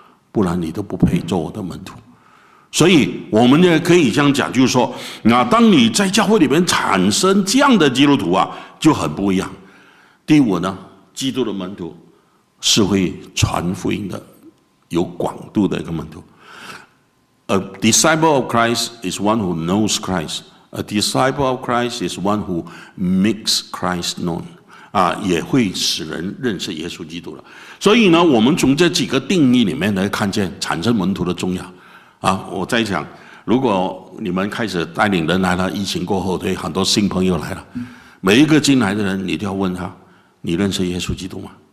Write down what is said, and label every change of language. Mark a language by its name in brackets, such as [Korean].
[Chinese] 不然你都不配做我的门徒。所以我们也可以这样讲，就是说那当你在教会里面产生这样的基督徒啊，就很不一样。第五呢，基督的门徒是会传福音的，有广度的一个门徒。 [English] A disciple of Christ is one who knows Christ. A disciple of Christ is one who makes Christ known. [Chinese] 啊，也会使人认识耶稣基督了。所以呢，我们从这几个定义里面来看见产生门徒的重要。啊，我在想，如果你们开始带领人来了，疫情过后，对很多新朋友来了，每一个进来的人，你都要问他，你认识耶稣基督吗？